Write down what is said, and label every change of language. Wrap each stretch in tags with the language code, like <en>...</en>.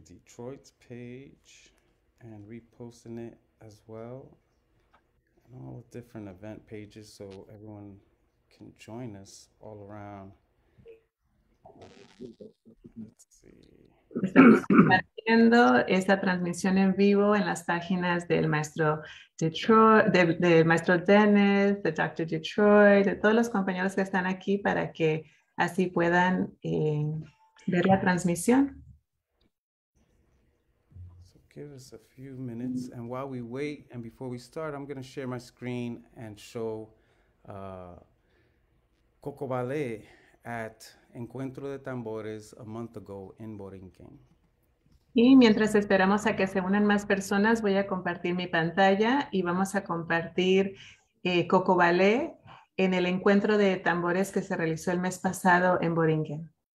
<en>Detroit's page and reposting it as well on all the different event pages so everyone can join us all around. Let's see.</en> <es>Estamos compartiendo esta transmisión en vivo en las páginas del maestro Detroit, del maestro Dennis, de Dr. Detroit, de todos los compañeros que están aquí para que así puedan ver la transmisión.</es> <en>Give us a few minutes, and while we wait, and before we start, I'm going to share my screen and show Kokobale at Encuentro de Tambores a month ago in Borinquen.</en> <es>Y mientras esperamos a que se unan más personas, voy a compartir mi pantalla y vamos a compartir Cocobalé en el encuentro de tambores que se realizó el mes pasado en Borinquén.</es>